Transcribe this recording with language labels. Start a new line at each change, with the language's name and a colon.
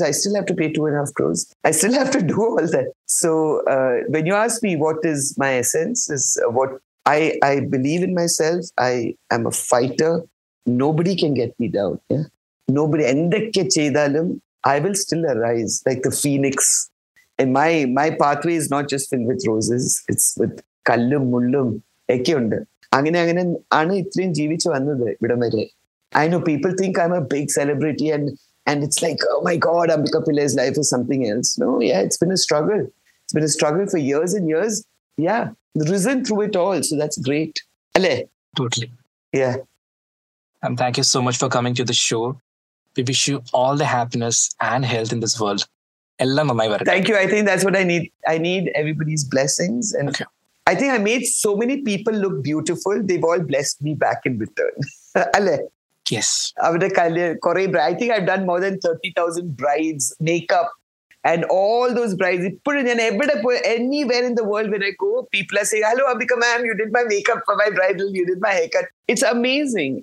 English: I still have to pay 2.5 crores. I still have to do all that. So when you ask me what is my essence, is what I believe in myself. I am a fighter. Nobody can get me down. Yeah? Nobody.
Malayalam: Endakke cheydalum,
English: I will still arise like the phoenix. And my pathway is not just filled with roses. It's with
Malayalam: kallum mullum. Ekke undu. അങ്ങനെ അങ്ങനെ ആണ് ഇത്രയും ജീവിച്ചു വന്നത് ഇവിടം വരെ
English: I know people think I am a big celebrity and it's like oh my God Ambika Pillai's life is something else no yeah it's been a struggle it's been a struggle for years and years yeah risen through it all so that's great
Malayalam: അല്ലേ
English: totally yeah and thank you so much for coming to the show we wish you all the happiness and health in this world
Malayalam: എല്ലാം നന്നായി വരട്ടെ
English: Thank you I think that's what I need everybody's blessings and I think I made so many people look beautiful. They've all blessed me back in return.
Malayalam: Alle?
English: Yes. I think I've done more than 30,000 brides, makeup, and all those brides. Anywhere in the world when I go, people are saying, hello, Ambika ma'am, you did my makeup for my bridal, you did my haircut. It's amazing.